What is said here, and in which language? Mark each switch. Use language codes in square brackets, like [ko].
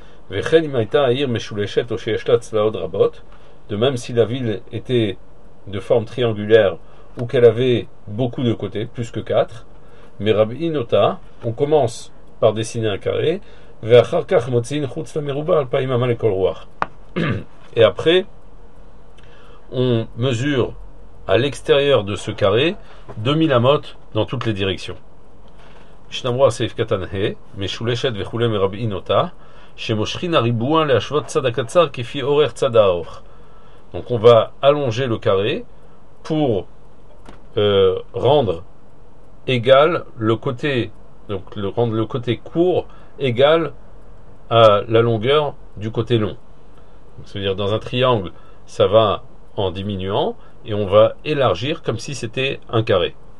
[he] Vechen imaita aïr meshuleshet o sheyeshla tzlaot rabot. [fr] De même, si la ville était de forme triangulaire ou qu'elle avait beaucoup de côtés, plus que 4, merab inota, on commence par dessiner un carré. [he] Vechar kach motzin chutz lameruba al paim amal kol ruach. [fr] Et après, on mesure à l'extérieur de ce carré 2000 amot dans toutes les directions. [he] שנמרו הסעיף קטן ה, משולשת וכולי מרבעין אותה, שמושכין הריבוע להשוות צד הקצר כפי אורך צד הארוך. [fr] Donc on va allonger le carré pour rendre égal le côté, donc le rendre le côté court égal à la longueur du côté long. Donc, ça veut dire dans un triangle, ça va en diminuant et on va élargir comme si c'était un carré.